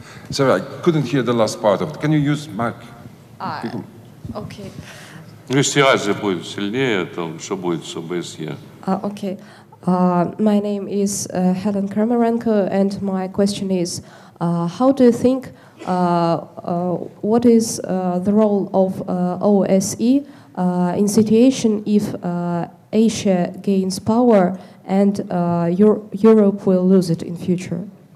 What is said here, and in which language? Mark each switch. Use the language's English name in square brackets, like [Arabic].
[English] Sorry, I couldn't hear the last part of it. Can you use mic? Okay. [Russian] Если Азия будет сильнее, то что будет с ОБСЕ? [English] Okay. My name is Helen Kramarenko, and my question is, how do you think, what is the role of OSE in situation if Asia gains power and Europe will lose it in future?